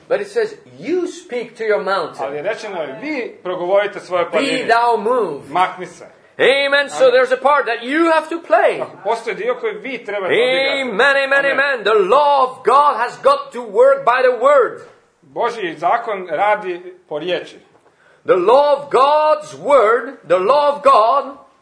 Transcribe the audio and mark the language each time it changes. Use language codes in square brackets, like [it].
[en] But it says you speak to your mountain. [hr] Ali rečeno je vi progovorite svoje planine. [en] Be thou moved. [hr] Makni se. [en] Amen. So there's a part that you have to play. [hr] Postoji dio koji vi trebate odigrati. Amen, amen, amen. [en] The law of God has got to work by the word. [hr] Božji zakon radi po riječi. [en] The law of God's word, the law of God,